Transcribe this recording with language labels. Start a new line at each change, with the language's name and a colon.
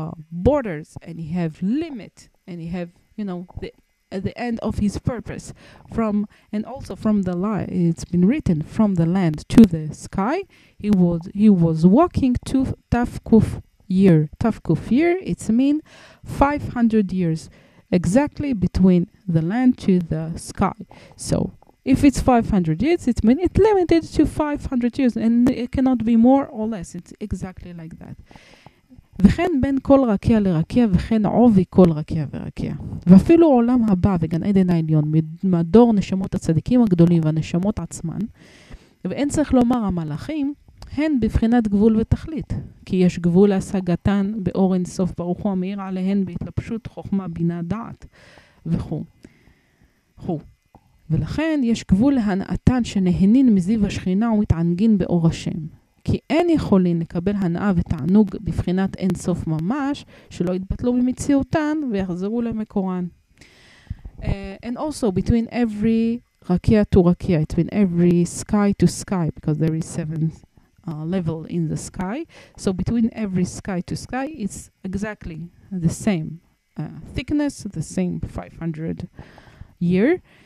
English: borders and he have limit and he have, you know, the, at the end of his purpose, from, and also from the lie, it's been written, from the land to the sky, he was walking to Tafkuf year, it's mean 500 years exactly between the land to the sky. So if it's 500 years, it means it's limited to 500 years, and it cannot be more or less, it's exactly like that.
Hebrew: וכן בין כל רקיע לרקיע, וכן עובי כל רקיע ורקיע. ואפילו עולם הבא וגן עדן העליון, מדור נשמות הצדיקים הגדולים והנשמות עצמן, ואין צריך לומר המלאכים, הן בבחינת גבול ותכלית, כי יש גבול להשגתן באור אין סוף ברוך הוא המאיר עליהן בהתלבשות חוכמה בינה דעת וכו'. ולכן יש גבול להנעתן שנהנין מזיו השכינה ומתענגין באור השם. כי אין יכולים לקבל הנאה ותענוג בבחינת אין סוף ממש, שלא יתבטלו במציאותן ויחזרו למקורן.
English: And also between every rakia to rakia, between every sky to sky, because there is seven level in the sky, so between every sky to sky, it's exactly the same thickness, the same 500 year.